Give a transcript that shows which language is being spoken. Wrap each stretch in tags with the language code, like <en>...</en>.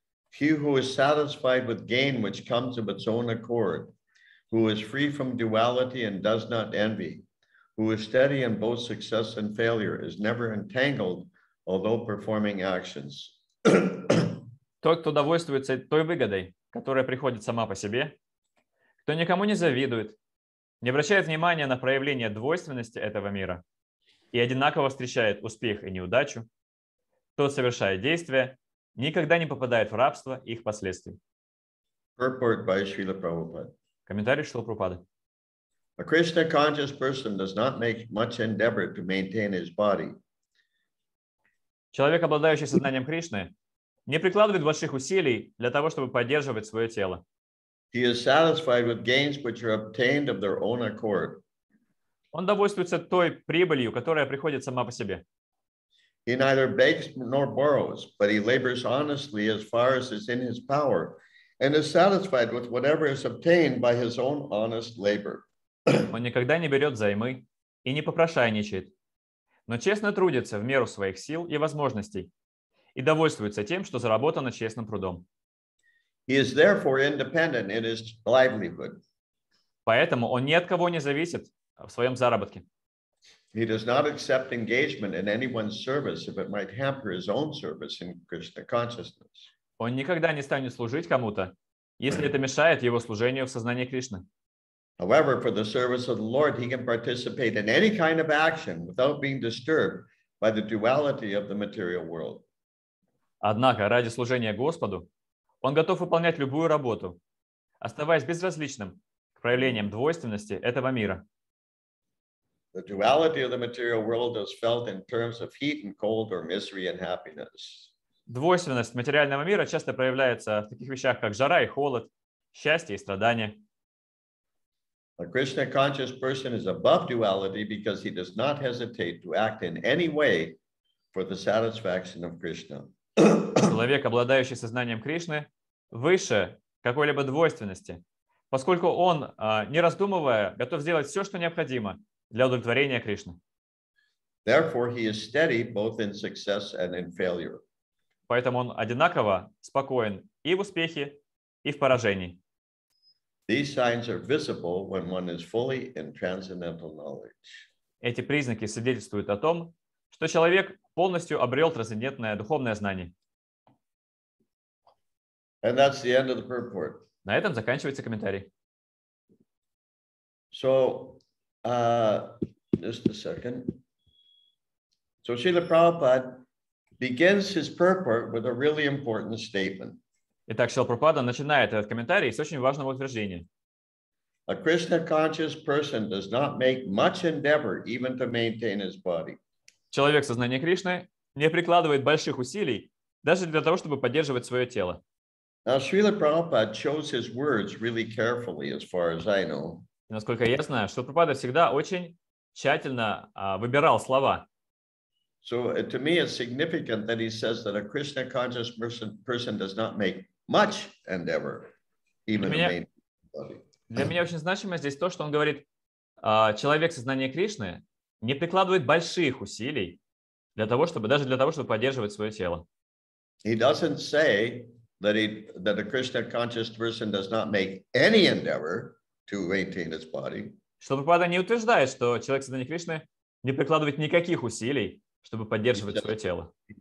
<en>He who is satisfied with gain which comes of its own accord, who is free from duality and does not envy, who is steady in both success and failure, is never entangled, although performing actions.</en> <ru>Тот, кто довольствуется той выгодой, которая приходит сама по себе, кто никому не завидует, не обращает внимания на проявление двойственности этого мира и одинаково встречает успех и неудачу, тот, совершая действия, никогда не попадает в рабство и их последствий.</ru> <en>Purport by Srila Prabhupada.</en> <ru>Комментарий Шрилы Прабхупады.</ru> <en>A Krishna conscious person does not make much endeavor to maintain his body.</en> <ru>Человек, обладающий сознанием Кришны, не прикладывает больших усилий для того, чтобы поддерживать свое тело.</ru> <en>He is satisfied with gains which are obtained of their own accord.</en> <ru>Он довольствуется той прибылью, которая приходит сама по себе.</ru> <en>He neither begs nor borrows, but he labors honestly as far as is in his power and is satisfied with whatever is obtained by his own honest labor.</en> <ru>Он никогда не берет займы, и не попрошайничает, но честно трудится в меру своих сил и возможностей и довольствуется тем, что заработано честным трудом.</ru> <en>He is therefore independent in his livelihood.</en> <ru>Поэтому он ни от кого не зависит в своем заработке.</ru> <en>He does not accept engagement in anyone's service if it might hamper his own service in Krishna consciousness.</en> <ru>Он никогда не станет служить кому-то, если это мешает его служению в сознании Кришны.</ru> <en>However, for the service of the Lord, he can participate in any kind of action without being disturbed by the duality of the material world.</en> <ru>Однако ради служения Господу он готов выполнять любую работу, оставаясь безразличным к проявлениям двойственности этого мира.</ru> <en>The duality of the material world is felt in terms of heat and cold or misery and happiness.</en> <ru>Двойственность материального мира часто проявляется в таких вещах, как жара и холод, счастье и страдания.</ru> <en>A Krishna conscious person is above duality because he does not hesitate to act in any way for the satisfaction of Krishna.</en> <ru>Человек, обладающий сознанием Кришны, выше какой-либо двойственности, поскольку он, не раздумывая, готов сделать все, что необходимо для удовлетворения Кришны.</ru> <en>Therefore, he is steady both in success and in failure.</en> <ru>Поэтому он одинаково спокоен и в успехе, и в поражении.</ru> <en>These signs are visible when one is fully in transcendental knowledge.</en> <ru>Эти признаки свидетельствуют о том, что человек полностью обрел трансцендентное духовное знание.</ru> <en>And that's the end of the purport.</en> <ru>На этом заканчивается комментарий.</ru> <en>So, just a second. So Srila Prabhupada begins his purport with a really important statement.</en> <ru>Итак, Шрила Прабхупада начинает этот комментарий с очень важного утверждения.</ru> <en>A Krishna conscious person does not make much endeavor even to maintain his body.</en> <ru>Человек сознания Кришны не прикладывает больших усилий даже для того, чтобы поддерживать свое тело.</ru> <en>Now, Srila Prabhupada chose his words really carefully, as far as I know.</en> <ru>И насколько я знаю, Шрила Прабхупада всегда очень тщательно выбирал слова.</ru> <en>So to me it's significant that he says that a Krishna conscious person does not make much endeavor even to maintain body.</en> <ru>Для меня очень значимо здесь то, что он говорит, человек сознания Кришны не прикладывает больших усилий для того, чтобы даже для того, чтобы поддерживать свое тело.</ru> <en>He doesn't say that a Krishna conscious person does not make any endeavor to maintain his body.</en> <ru>Шрила Прабхупада не утверждает, что человек сознания Кришны не прикладывает никаких усилий, чтобы поддерживать свое тело.</ru>